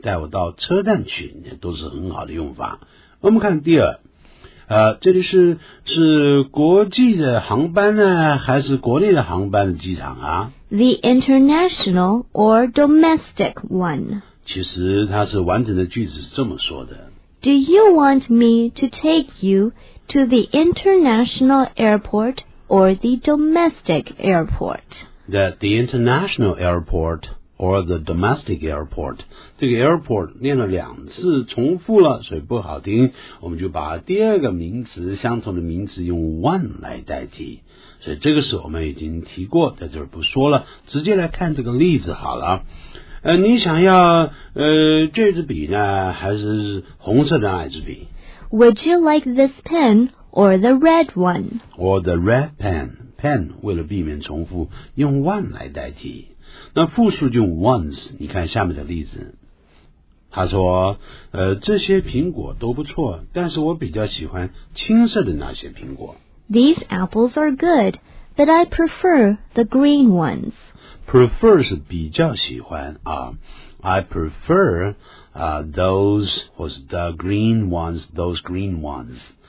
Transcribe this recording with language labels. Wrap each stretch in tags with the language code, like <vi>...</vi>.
<zh>带我到车站去，都是很好的用法。我们看第二，这里是国际的航班呢，还是国内的航班的机场啊？</zh> <en>The international or domestic one.</en> <zh>其实它是完整的句子是这么说的。</zh> <en>Do you want me to take you to the international airport or the domestic airport? The international airport or the domestic airport.</en> <zh>这个 airport 念了两次重复了，所以不好听，我们就把第二个名词相同的名词用 one 来代替。所以这个是我们已经提过，在这儿不说了，直接来看这个例子好了。你想要这支笔呢，还是红色的那支笔？</zh> <en>Would you like this pen or the red one? Or the red pen.</en> <zh>Pen 为了避免重复，用 one 来代替。那复数就 once。你看下面的例子，他说，这些苹果都不错，但是我比较喜欢青色的那些苹果。</zh> <en>These apples are good, but I prefer the green ones. Prefer</en> <zh>是比较喜欢啊、</zh> <en>I prefer those was the green ones, those green ones.</en>